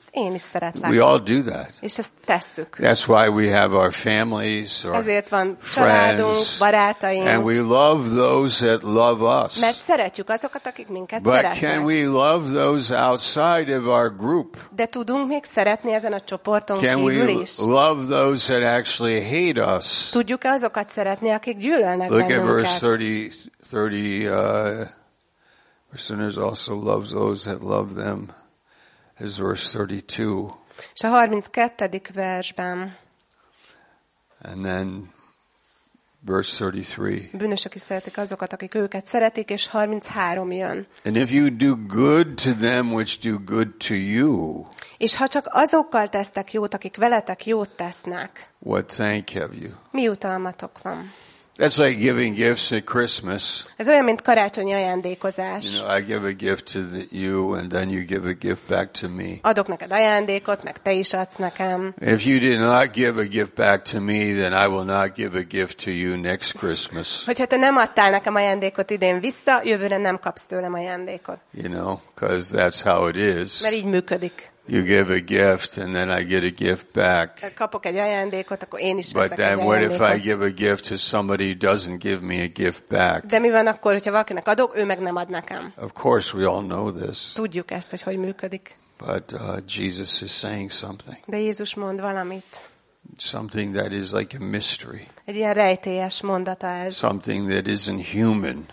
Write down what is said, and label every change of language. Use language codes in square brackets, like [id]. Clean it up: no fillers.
[hu] Én is szeretlek. [en] We all do that. [hu] És ezt tesszük. [en] That's why we have our families, our [hu] ezért van családunk, barátaink. [en] And we love those that love us. [hu] Mert szeretjük azokat, akik minket szeretnek. [en] But can we love those outside of our group? [hu] De tudunk még szeretni ezen a csoporton [en] can [hu] kívül is? [en] Can we love those that actually hate us? [hu] Tudjuk-e azokat szeretni, akik gyűlölnek bennünket? [en] Look at verse 30. Sinners also love those that love them. Is verse 32. [hu] És a 32. versben. [en] And then verse 33. [hu] Bűnösök is szeretik azokat, akik őket szeretik, és 33 jön. [en] And if you do good to them which do good to you. [hu] És ha csak azokkal tesztek jót, akik veletek jót tesznek. [en] What thank have you? [hu] Mi utalmatok van? [en] That's like giving gifts at Christmas. [hu] Ez olyan, mint karácsonyi ajándékozás. [en] You know, I give a gift to you, and then you give a gift back to me. [hu] Adok neked ajándékot, meg te is adsz nekem. [en] If you did not give a gift back to me, then I will not give a gift to you next Christmas. [hu] Hogyha te nem adtál nekem ajándékot idén vissza, jövőre nem kapsz tőlem ajándékot. [en] You know, because that's how it is. [hu] Mert így működik. [en] You give a gift and then I get a gift back. [hu] Kapok egy ajándékot, akkor én is veszek. [en] But then what if I give a gift to somebody who doesn't give me a gift back? [hu] De mi van akkor, hogyha valakinek adok, ő meg nem ad nekem? [en] Of course we all know this. [hu] Tudjuk ezt, hogy működik. [en] But Jesus is saying something. [hu] De Jézus mond valamit. [en] Something that is like a mystery. [hu] Egy ilyen rejtélyes mondata ez. [en] Something that isn't human.